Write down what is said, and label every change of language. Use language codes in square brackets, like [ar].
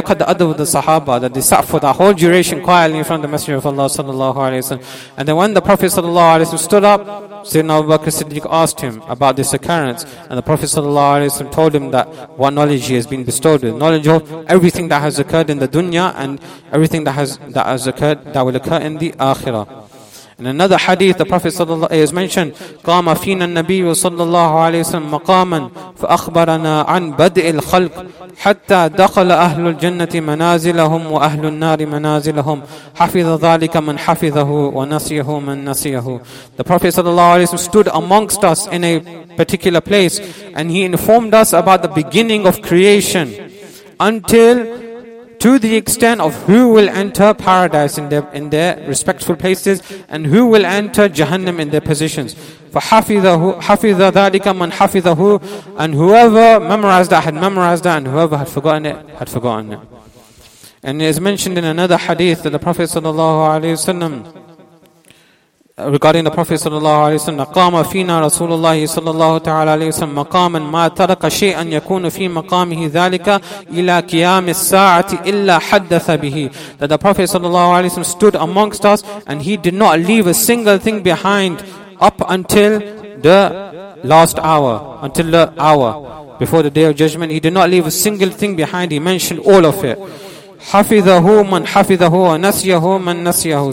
[en] Look at the adab of the Sahaba, that they sat for that whole duration quietly in front of the Messenger of Allah sallallahu alaihi wasallam. And then when the Prophet sallallahu alaihi wasallam stood up, Sayyidina Abu Bakr Siddiq asked him about this occurrence. And the Prophet sallallahu alaihi wasallam told him that what knowledge he has been bestowed with. Knowledge of everything that has occurred in the dunya and everything that will occur in the akhirah. In another hadith, the Prophet sallallahu alaihi wasallam mentioned, [ar] قَامَ فِينَ النَّبِيُّ صَلَّى اللَّهُ عَلَيْهِ وَسَلَّمَ مَقَامًا فَأَخْبَرَنَا عَنْ بَدْءِ الْخَلْقِ حَتَّى دَخَلَ أَهْلُ الْجَنَّةِ مَنَازِلَهُمْ وَأَهْلُ النَّارِ مَنَازِلَهُمْ حَفِظَ ذَلِكَ مَنْ حَفِظَهُ وَنَسِيَهُ مَنْ نَسِيَهُ. [en] The Prophet sallallahu alaihi wasallam stood amongst us in a particular place, and he informed us about the beginning of creation until to the extent of who will enter paradise in their respectful places and who will enter Jahannam in their positions. [ar] فَحَفِظَ ذَلِكَ مَنْ حَفِظَهُ. [en] And whoever memorized that had memorized that, and whoever had forgotten it had forgotten it. And it is mentioned in another hadith that the Prophet sallallahu alaihi wasallam, [ar] regarding the Prophet sallallahu alaihi wasallam, قَامَ فِينَا رَسُولُ اللَّهِ صَلَّى اللَّهُ تَعَالَى عَلَيْهِ وَسَلَّمَ مَقَامًا مَا تَرَكَ شَيْئًا يَكُونُ فِي مَقَامِهِ ذَلِكَ إِلَى قِيَامِ السَّاعَةِ إِلَّا حَدَّثَ بِهِ. [en] That the Prophet sallallahu alaihi wasallam stood amongst us, and he did not leave a single thing behind up until the last hour, until the hour before the Day of Judgment. He did not leave a single thing behind. He mentioned all of it. [ar] حَفِظَهُ مَنْ حَفِظَهُ وَنَسْيَهُ مَنْ نَسْيَهُ.